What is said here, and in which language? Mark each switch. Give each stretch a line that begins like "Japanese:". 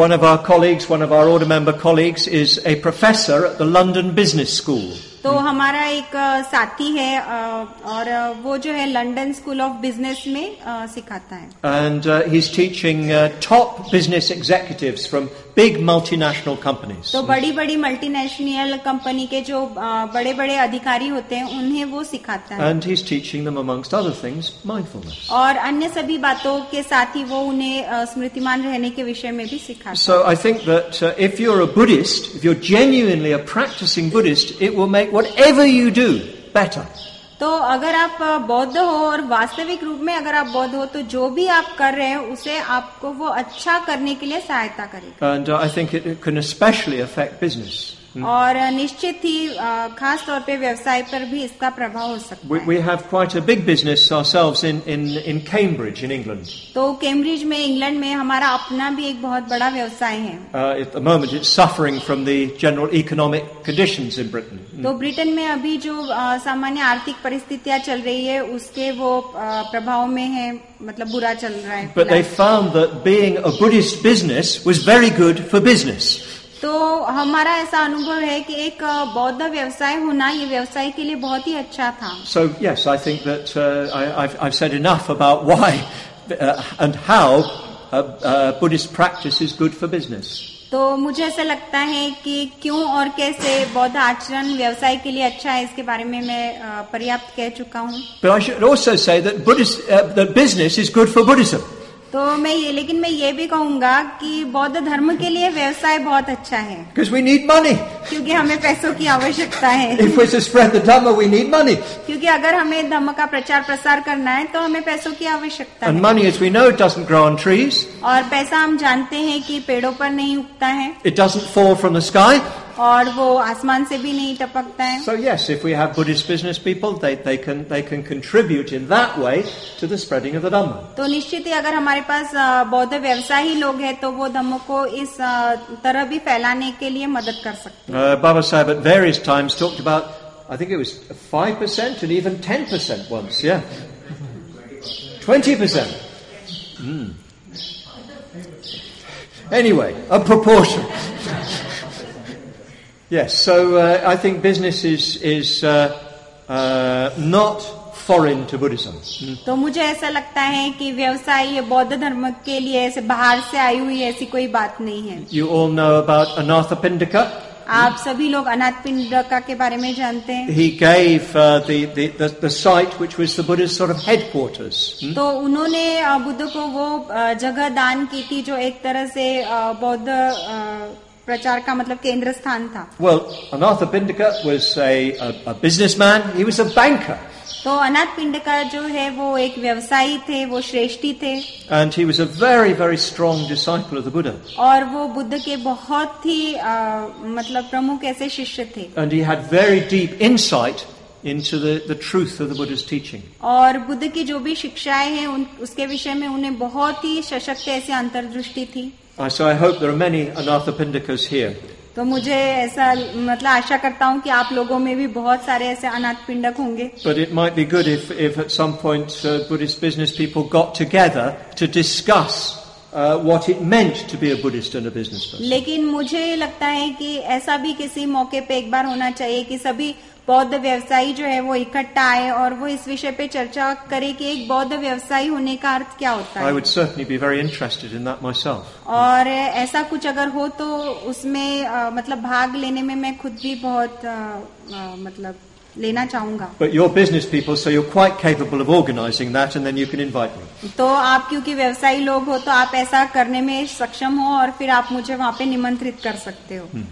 English: One of our colleagues, one of our order member colleagues, is a professor at the London Business School.
Hindi: तो हमारा एक साथी है और वो जो है लंदन स्कूल ऑफ बिजनेस में सिखाता है.
English: And he's teaching top business executives from big multinational companies.
Hindi: तो बड़ी बड़ी मल्टीनेशनल कंपनी के जो बड़े बड़े अधिकारी होते हैं उन्हें वो सिखाता है.
English: And he's teaching them amongst other things mindfulness.
Hindi: और अन्य सभी बातों के साथ ही वो उन्हें स्मृतिमान रहने के विषय में भी सिखाता है.
English: So I think that if you're a Buddhist, if you're genuinely a practicing Buddhist, it will make whatever you do better.
Hindi: तो अगर आप बौद्ध हो और वास्तविक रूप में अगर आप बौद्ध हो तो जो भी आप कर रहे हैं उसे आपको वो अच्छा करने के लिए सहायता करेगा.
English: And I think it can especially affect business.
Hindi: और निश्चित ही खास तौर पे व्यवसाय पर भी इसका प्रभाव हो सकता है.
English: We have quite a big business ourselves in Cambridge in England.
Hindi: तो कैम्ब्रिज में इंग्लैंड में हमारा अपना भी एक बहुत बड़ा व्यवसाय है.
English: At the moment it's suffering from the general economic conditions in Britain.
Hindi: तो ब्रिटेन में अभी जो सामान्य आर्थिक परिस्थितियां चल रही है उसके वो प्रभाव में है, मतलब बुरा चल रहा है.
English: But they found that being a Buddhist business was very good for business.
Hindi: तो हमारा ऐसा अनुभव है कि एक बौद्ध व्यवसाय होना ये व्यवसाय के लिए बहुत ही अच्छा था.
English: So yes, I think that I've said enough about why and how Buddhist practice is good for business.
Hindi: तो मुझे ऐसा लगता है कि क्यों और कैसे बौद्ध आचरण व्यवसाय के लिए अच्छा है इसके बारे में मैं पर्याप्त कह चुका हूँ.
English: But I should also say that that business is good for Buddhism.
Hindi: तो मैं ये लेकिन मैं ये भी कहूंगा कि बौद्ध धर्म के लिए व्यवसाय बहुत अच्छा है.
English: Because we need money.
Hindi: क्योंकि हमें पैसों की आवश्यकता है.
English: If we spread the dhamma, we need money.
Hindi: क्योंकि अगर हमें धर्म का प्रचार प्रसार करना है तो हमें पैसों की आवश्यकता
English: And
Hindi: है.
English: Money, as we know, it doesn't grow on trees.
Hindi: और पैसा हम जानते हैं कि पेड़ों पर नहीं उगता है.
English: It doesn't fall from the sky.
Hindi: और वो आसमान से भी नहीं टपकता है.
English: So yes, if we have Buddhist business people, they can contribute in that way to the spreading of the Dhamma.
Hindi: तो निश्चित ही अगर हमारे पास बौद्ध व्यवसायी लोग हैं तो वो धम्म को इस तरह भी फैलाने के लिए मदद कर सकते हैं.
English: Baba Sahib at various times talked about, I think it was 5% and even 10% once, yeah. 20%. Anyway, a proportion. Yes, so I think business is not foreign to Buddhism.
Hindi: तो मुझे ऐसा लगता है कि व्यवसाय ये बौद्ध धर्म के लिए ऐसे बाहर से आई हुई ऐसी कोई बात नहीं है.
English: You all know about Anathapindika.
Hindi: आप सभी लोग अनाथपिंडिका के बारे में जानते हैं.
English: He gave the site which was the Buddha's sort of headquarters.
Hindi: तो उन्होंने बुद्ध को वो जगह दान की थी जो एक तरह से बौद्ध प्रचार का मतलब केंद्र स्थान था.
English: Well, Anathapindika was a businessman. He was a banker.
Hindi: तो अनाथपिंडिका जो है वो एक व्यवसायी थे, वो श्रेष्ठी थे.
English: And he was a very, very strong disciple of the Buddha.
Hindi: और वो बुद्ध के बहुत ही मतलब प्रमुख ऐसे शिष्य थे.
English: And he had very deep insight into the truth of the Buddha's teaching.
Hindi: और बुद्ध की जो भी शिक्षाएं हैं उसके विषय में उन्हें बहुत ही सशक्त ऐसी अंतर्दृष्टि थी.
English: So I hope there are many Anathapindikas here.
Hindi: तो मुझे ऐसा मतलब आशा करता हूँ कि आप लोगों में भी बहुत सारे ऐसे अनाथपिंडक होंगे.
English: But it might be good if at some point Buddhist business people got together to discuss what it meant to be a Buddhist and a business person.
Hindi: लेकिन मुझे लगता है कि ऐसा भी किसी मौके पे एक बार होना चाहिए कि सभी बौद्ध व्यवसायी जो है वो इकट्ठा आए और वो इस विषय पे चर्चा करे कि एक बौद्ध व्यवसायी होने का अर्थ क्या होता है.
English: I would certainly be very interested in that myself.
Hindi: और ऐसा कुछ अगर हो तो उसमें मतलब भाग लेने में मैं खुद भी बहुत मतलब लेना चाहूंगा.
English: But you're business people, so you're quite capable of organizing that, and then you can invite me.
Hindi: तो आप क्योंकि व्यवसायी लोग हो तो आप ऐसा करने में सक्षम हो और फिर आप मुझे वहाँ पे निमंत्रित कर सकते हो.